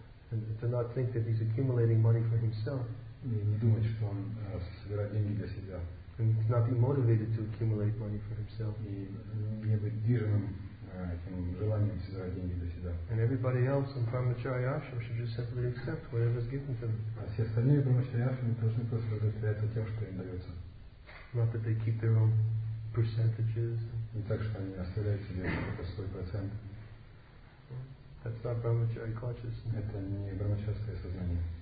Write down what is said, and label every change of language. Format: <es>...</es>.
<en>And to not think that he's accumulating money for himself.</en> <ru>И не думать, что он собирает деньги для себя.</ru> <en>And to not be motivated to accumulate money for himself.</en> <ru>И не быть движимым этим желанием собирать деньги для себя.</ru> <en>And everybody else in brahmachari ashram should just simply accept whatever is given to them.</en> <ru>А все остальные брахмачари ашрамы должны просто удовлетворяться тем, что им дается.</ru> <en>Not that they keep their own percentages.</en> <ru>Не так, что они оставляют себе какой-то свой процент.</ru> <en>That's not brahmachari consciousness.</en> <ru>Это не брахмачарское сознание.</ru>